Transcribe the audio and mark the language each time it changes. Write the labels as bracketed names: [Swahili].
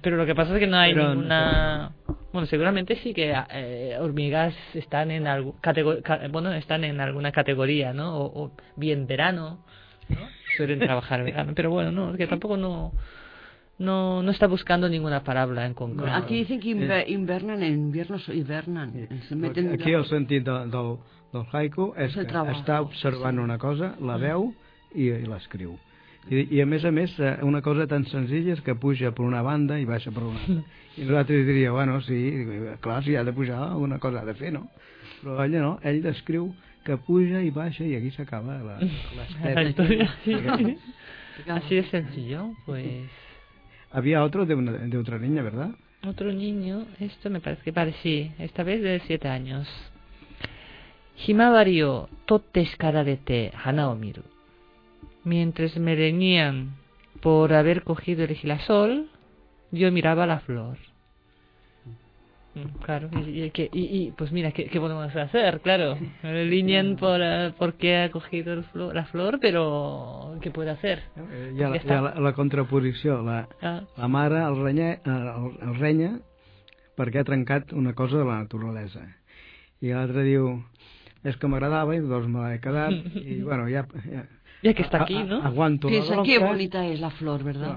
[Spanish] Pero lo que pasa es que no hay ninguna. Bueno, seguramente sí que hormigas están en alguna categoría, ¿no? O bien verano, ¿no? Suelen trabajar verano. Pero bueno, no, que tampoco no. No, no está buscando ninguna palabra en concreto. Aquí dicen que invernan, en invierno hibernan. [Catalan] Aquí el sentit del haiku és que està observant una cosa, la veu i l'escriu. I a més, una cosa tan senzilla és que puja per una banda i baixa per una altra. I nosaltres diria, bueno, sí, clar, si ha de pujar, alguna cosa ha de fer, no? Però ella no, ell descriu que puja i baixa i aquí s'acaba l'estètica. La història. Així de senzill, pues... [Spanish] Había otro de otra niña, ¿verdad? Otro niño, esto me parece que parecí, esta vez de 7 años. [Japanese] Himawari o totte shikararete hana o miru. [Spanish] Mientras me reñían por haber cogido el girasol, yo miraba la flor. Claro, y pues mira, ¿qué podemos hacer? Claro, riñen porque ha cogido la flor, pero ¿qué puede hacer? [Catalan] Hi ha, la contraposició, la mare el renya perquè ha trencat una cosa de la naturalesa. I l'altre diu, és que m'agradava, doncs me l'he quedat, i bueno, ja... Ja que està aquí, no? Aguanto la bronca. Que bonita és la flor, [Spanish] ¿verdad?